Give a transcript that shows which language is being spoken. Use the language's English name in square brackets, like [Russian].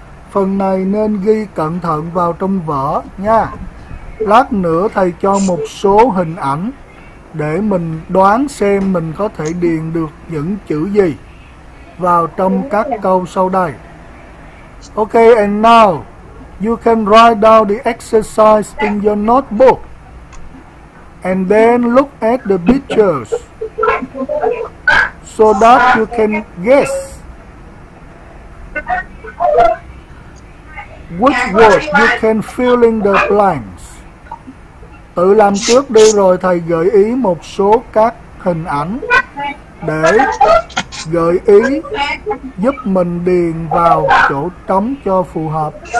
[Vietnamese] Phần này nên ghi cẩn thận vào trong vở nha. Lát nữa thầy cho một số hình ảnh để mình đoán xem mình có thể điền được những chữ gì vào trong các câu sau đây. [English] Ok, and now, You can write down the exercise in your notebook and then look at the pictures so that you can guess which word you can fill in the blanks. [Vietnamese] Tự làm trước đi rồi thầy gợi ý một số các hình ảnh để gợi ý giúp mình điền vào chỗ trống cho phù hợp.